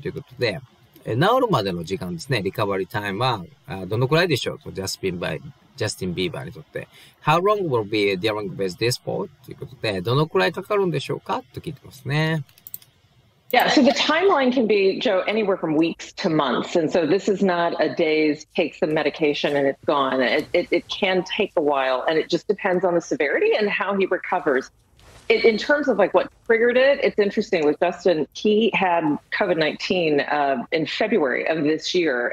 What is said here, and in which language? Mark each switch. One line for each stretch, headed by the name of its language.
Japanese: ということで、治るまでの時間ですね。リカバリータイムは、どのくらいでしょうと、ジャスティン・ビーバー、ジャスティン・ビーバーにとって。
English: How long will be dealing with this for?
Japanese: ということで、どのくらいかかるんでしょうかと聞いてますね。
English: Yeah, so the timeline can be, Joe, anywhere from weeks to months. And so this is not a day's take some medication and it's gone. It can take a while and it just depends on the severity and how he recovers. It, in terms of like what triggered it, it's interesting with Justin, he had COVID-19 in February of this year.